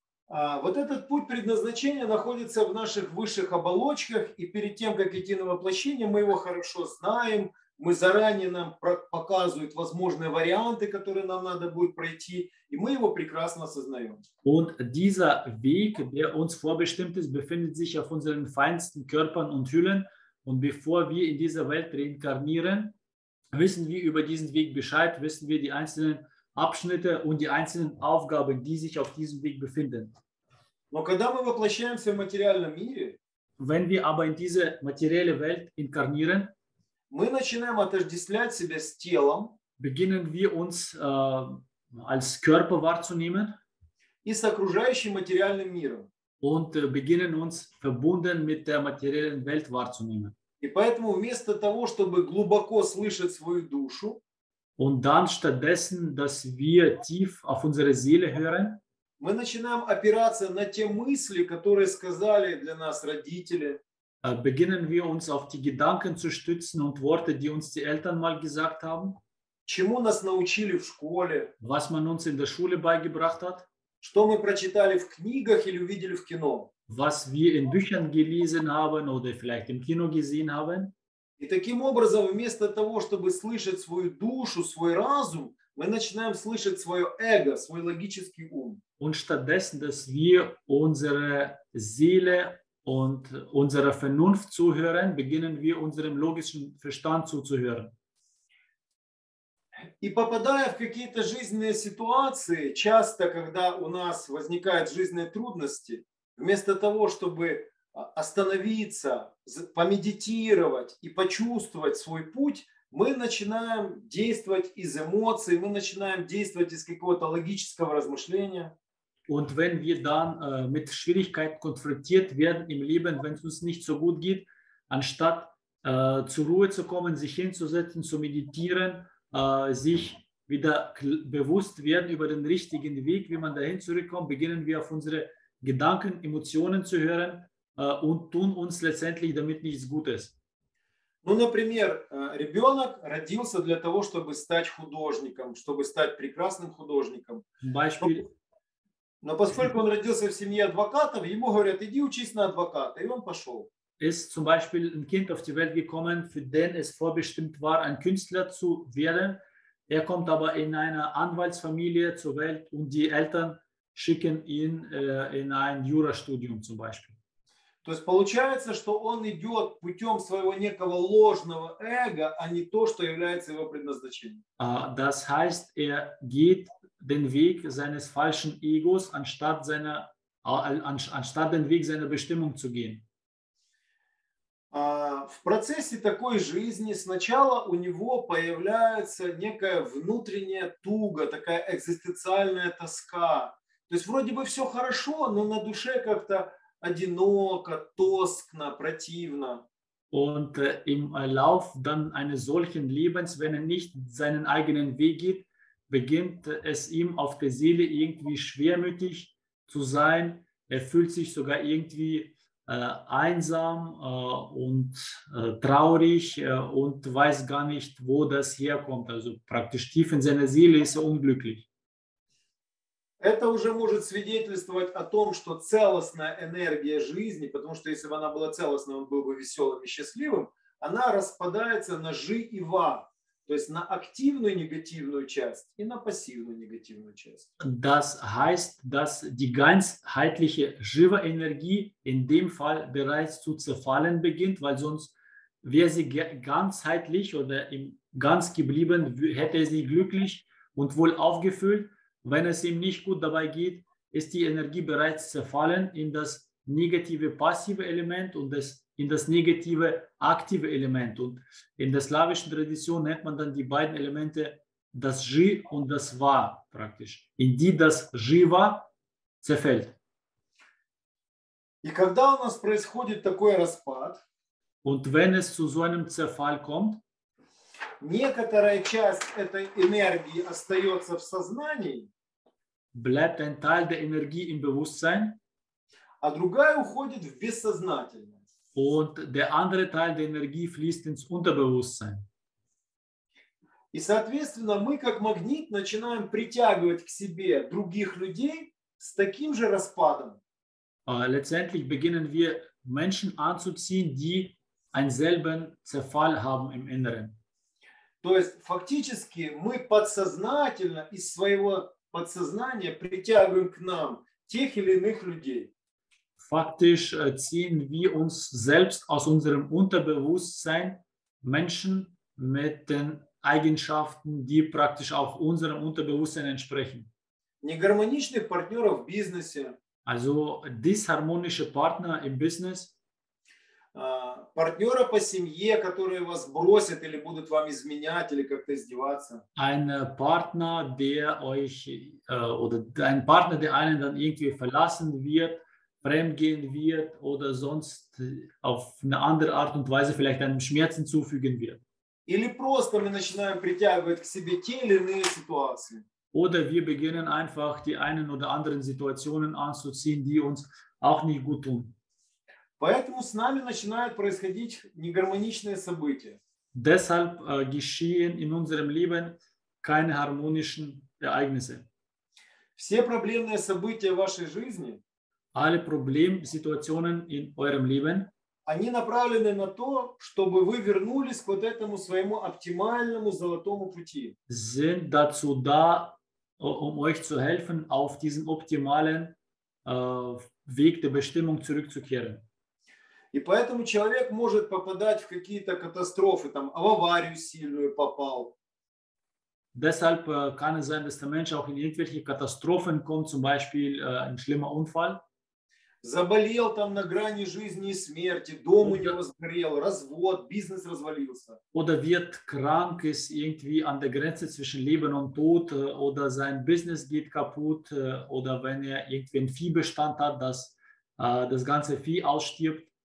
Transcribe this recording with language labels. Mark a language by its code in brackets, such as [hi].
[ru] Вот этот путь предназначения находится в наших высших оболочках, и перед тем, как идти на воплощение, мы его хорошо знаем, мы заранее нам показывают возможные варианты, которые нам надо будет пройти, и мы его прекрасно осознаем. [de] Und dieser Weg, der uns vorbestimmt ist, befindet sich auf unseren feinsten Körpern und Hüllen. Und bevor wir in dieser Welt reinkarnieren, wissen wir über diesen Weg Bescheid, wissen wir die einzelnen Abschnitte und die einzelnen Aufgaben, die sich auf diesem Weg befinden. [ru] Но когда мы воплощаемся в материальном мире, [de] wenn wir aber in diese materielle Welt inkarnieren, [ru] мы начинаем отождествлять себя с телом, [de] beginnen wir uns als Körper wahrzunehmen [ru] и с окружающим материальным миром. [de] Und beginnen uns verbunden mit der materiellen Welt wahrzunehmen. [ru] И поэтому вместо того, чтобы глубоко слышать свою душу, [de] und dann stattdessen, dass wir tief auf unsere Seele hören, [ru] мы начинаем опираться на те мысли, которые сказали для нас родители. [de] Beginnen wir uns auf die Gedanken zu stützen und Worte, die uns die Eltern mal gesagt haben. [ru] Чему нас научили в школе? [de] Was man uns in der Schule beigebracht hat. [ru] Что мы прочитали в книгах или увидели в кино? [de] Was wir in Büchern gelesen haben oder vielleicht im Kino gesehen haben. [ru] И таким образом, вместо того, чтобы слышать свою душу, свой разум, мы начинаем слышать свое эго, свой логический ум. [de] Und stattdessen, dass wir unsere Seele und unserer Vernunft zuhören, beginnen wir unserem logischen Verstand zuzuhören. [ru] И попадая в какие-то жизненные ситуации, часто, когда у нас возникают жизненные трудности, вместо того, чтобы остановиться, помедитировать и почувствовать свой путь, мы начинаем действовать из эмоций, мы начинаем действовать из какого-то логического размышления. [de] Und wenn wir dann mit Schwierigkeiten konfrontiert werden im Leben, wenn es uns nicht so gut geht, anstatt zur Ruhe zu kommen, sich hinzusetzen, zu meditieren, sich wieder bewusst werden über den richtigen Weg, wie man dahin zurückkommt, beginnen wir auf unsere Gedanken, Emotionen zu hören und tun uns letztendlich damit nichts Gutes. [ru] Ну, например, ребенок родился для того, чтобы стать художником, чтобы стать прекрасным художником. [de] Beispiel. [ru] Но поскольку он родился в семье адвокатов, ему говорят, иди учись на адвоката, и он пошел. [de] Ist zum Beispiel ein Kind auf die Welt gekommen, für den es vorbestimmt war, ein Künstler zu werden. Kommt aber in einer Anwaltsfamilie zur Welt und die Eltern schicken ihn in ein Jurastudium zum Beispiel. [ru] То есть получается, что он идет путем своего некого ложного эго, а не то, что является его предназначением. [de] Das heißt, geht den Weg seines falschen Egos, anstatt den Weg seiner Bestimmung zu gehen. [ru] В процессе такой жизни сначала у него появляется некая внутренняя туга, такая экзистенциальная тоска. То есть вроде бы все хорошо, но на душе как-то одиноко, тоскно, противно. [de] Und im Lauf dann eines solchen Lebens, wenn nicht seinen eigenen Weg geht, beginnt es ihm auf der Seele irgendwie schwermütig zu sein. Fühlt sich sogar irgendwie einsam und traurig und weiß gar nicht, wo das herkommt. Also praktisch tief in seiner Seele ist unglücklich. [ru] Это уже может свидетельствовать о том, что целостная энергия жизни, потому что если бы она была целостной, он был бы веселым и счастливым, она распадается на жи и ва, то есть на активную негативную часть и на пассивную негативную часть. [de] Das heißt, dass die ganzheitliche Jiva-Energie in dem Fall bereits zu zerfallen beginnt, weil sonst wäre sie ganzheitlich oder im Ganz geblieben, hätte sie glücklich und wohl aufgefüllt. Wenn es ihm nicht gut dabei geht, ist die Energie bereits zerfallen in das negative passive Element und in das negative aktive Element. Und in der slawischen Tradition nennt man dann die beiden Elemente das Ji und das Va praktisch, in die das Jiva zerfällt. [ru] И когда у нас происходит такой распад, [de] und wenn es zu so einem Zerfall kommt, [ru] некоторая часть этой энергии остается в сознании, [de] bleibt ein Teil der Energie im Bewusstsein, [ru] а другая уходит в бессознательное. [de] Und der andere Teil der Energie fließt ins Unterbewusstsein. [ru] И, соответственно, мы как магнит начинаем притягивать к себе других людей с таким же распадом. [de] Letztendlich beginnen wir Menschen anzuziehen, die einen selben Zerfall haben im Inneren. [ru] То есть фактически мы подсознательно из своего подсознания притягиваем к нам тех или иных людей. Фактически [de] ziehen wir uns selbst aus unserem Unterbewusstsein Menschen mit den Eigenschaften, die praktisch auch unserem Unterbewusstsein entsprechen. [ru] Негармоничных партнеров в бизнесе. [de] Also [ru] дисгармоничные партнеры в бизнесе. Партнера по семье, которые вас бросят или будут вам изменять или как-то издеваться. [de] Ein Partner, der einen dann irgendwie verlassen wird, fremdgehen wird oder sonst auf eine andere Art und Weise vielleicht einem Schmerzen zufügen wird. [ru] Или просто мы начинаем притягивать к себе те или иные ситуации. [de] Oder wir beginnen einfach die einen oder anderen Situationen anzuziehen, die uns auch nicht gut tun. [ru] Поэтому с нами начинают происходить негармоничные события. [de] Deshalb geschehen in unserem Leben keine harmonischen Ereignisse. [ru] Все проблемные события в вашей жизни, [de] alle Problemsituationen in eurem Leben, [ru] они направлены на то, чтобы вы вернулись к вот этому своему оптимальному золотому пути. [de] Sind dazu da, um euch zu helfen, auf diesen optimalen Weg der Bestimmung zurückzukehren. [ru] И поэтому человек может попадать в какие-то катастрофы, там, в аварию сильную попал. [de] Deshalb kann es sein, dass der Mensch auch in irgendwelche Katastrophen kommt, zum Beispiel ein schlimmer Unfall. [ru] Заболел там на грани жизни и смерти, дом у него сгорел, развод, бизнес развалился. [de] Oder wird krank, ist irgendwie an der Grenze zwischen Leben und Tod, oder sein Business geht kaputt, oder wenn irgendwie ein Viehbestand hat, dass das ganze Vieh ausstirbt.